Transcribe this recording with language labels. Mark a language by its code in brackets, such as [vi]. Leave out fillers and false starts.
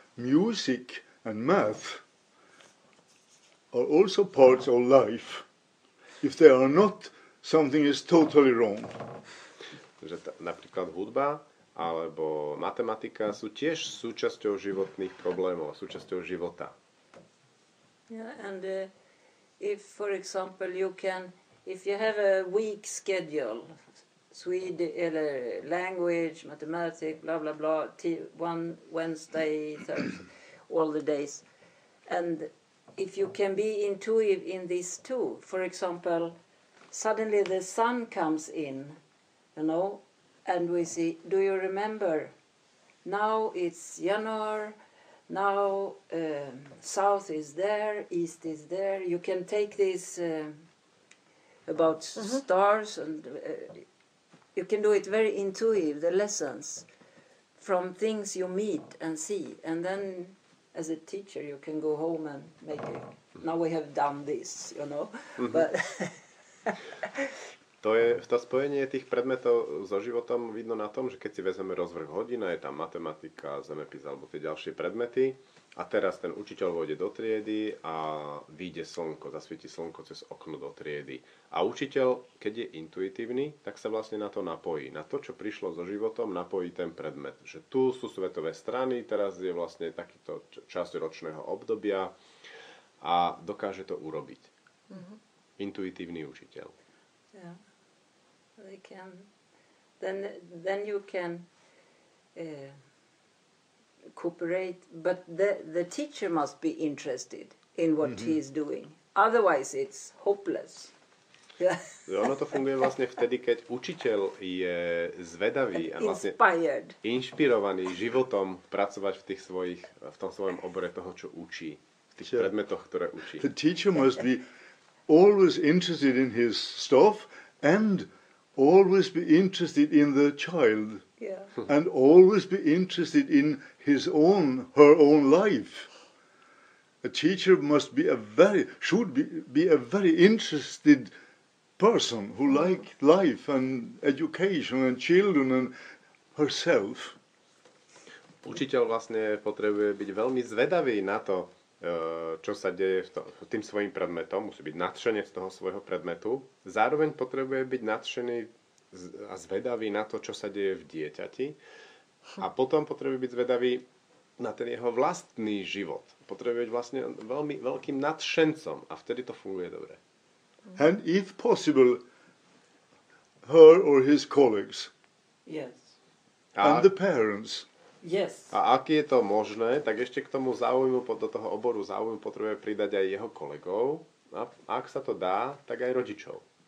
[en] Music and math are also parts of life. If they are not, something is totally wrong. [sk] Že napríklad hudba alebo matematika sú tiež súčasťou životných problémov, súčasťou života. [en] Yeah, and if, for example, you can, if you have a weak schedule, Swedish, language, mathematics, blah, blah, blah, one Wednesday, Thursday, all the days. And if you can be intuitive in this too, for example, suddenly the sun comes in, you know, and we see, do you remember? Now it's January. Now south is there, east is there. You can take this about stars, and you can do it very intuitive, the lessons from things you meet and see. And then as a teacher, you can go home and make it. Now we have done this, you know. Mm-hmm. But [sk] to je to spojenie tých predmetov so životom vidno na tom, že keď si vezmeme rozvrh hodina, je tam matematika, zemepis alebo tie ďalšie predmety. A teraz ten učiteľ vôjde do triedy a vyjde slnko, zasvieti slnko cez okno do triedy. A učiteľ, keď je intuitívny, tak sa vlastne na to napojí. Na to, čo prišlo so životom, napojí ten predmet. Že tu sú svetové strany, teraz je vlastne takýto časť ročného obdobia a dokáže to urobiť. Mm-hmm. Intuitívny učiteľ. [en] Yeah, they can. Then you can cooperate. But the teacher must be interested in what he is doing. Otherwise, it's hopeless. [sk] Yeah. Ono to funguje vlastne vtedy, keď učiteľ je zvedavý a vlastne [en] inspired. [sk] Inšpirovaný životom pracovať v tých svojich, v tom svojom obore toho, čo učí, v tých predmetoch, ktoré učí. [en] The teacher must be always interested in his stuff and always be interested in the child and always be interested in his own, her own life. A teacher must be a very, should be a very interested person who like life and education and children and herself. [sk] Učiteľ vlastne potrebuje byť veľmi zvedavý na to, čo sa deje v tým svojím predmetom, musí byť nadšenec toho svojho predmetu. Zároveň potrebuje byť nadšený a zvedavý na to, čo sa deje v dieťati. A potom potrebuje byť zvedavý na ten jeho vlastný život. Potrebuje byť vlastne veľmi veľkým nadšencom a vtedy to funguje dobre. [en] And if possible, her or his colleagues. Yes. And the parents. Yes. [sk] A ak je to možné, tak ešte k tomu záujmu, do toho oboru záujmu potrebuje pridať aj jeho kolegov. A ak sa to dá, tak aj rodičov.